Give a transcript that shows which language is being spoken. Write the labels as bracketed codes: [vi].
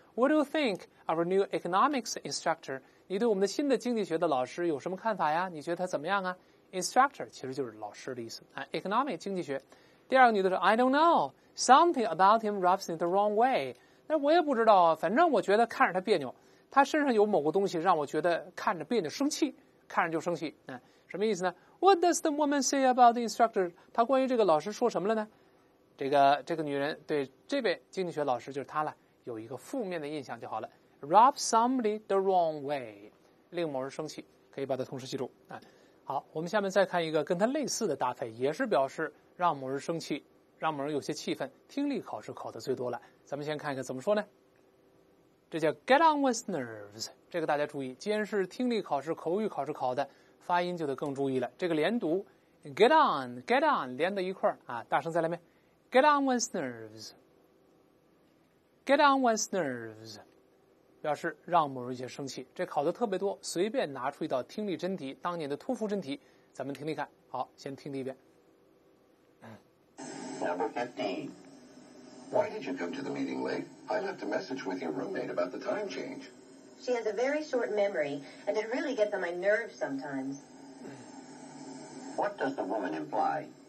[en] What do you think of our new economics instructor? [zh] 你对我们的新的经济学的老师有什么看法呀？你觉得他怎么样啊？ Instructor 其实就是老师的意思，economic 经济学。第二个女的说 [en] I don't know, something about him rubs me the wrong way. [zh] 那我也不知道，反正我觉得看着他别扭，他身上有某个东西让我觉得看着别扭，生气，看着就生气。什么意思呢？ [en] What does the woman say about the instructor? [zh] 她关于这个老师说什么了呢？这个女人对这位经济学老师，就是她了，有一个负面的印象就好了。 [en] Rub somebody the wrong way, [zh] 令某人生气，可以把它同时记住。好，我们下面再看一个跟它类似的搭配，也是表示让某人生气，让某人有些气愤，听力考试考的最多了。咱们先看一看怎么说呢？这叫 [en] get on with nerves, [zh] 这个大家注意，既然是听力考试、口语考试考的，发音就得更注意了。这个连读 [en] get on, get on, [zh] 连到一块儿啊，大声再来呗。 [en] Get on one's nerves. Get on one's nerves. [zh] 表示让某人一些生气。这考的特别多，随便拿出一道听力真题，当年的托福真题，咱们听听看。好，先听第一遍。 [en] Number 15. Why did you come to the meeting late? I left a message with your roommate about the time change. She has a very short memory, and it really gets on my nerves sometimes. What does the woman imply?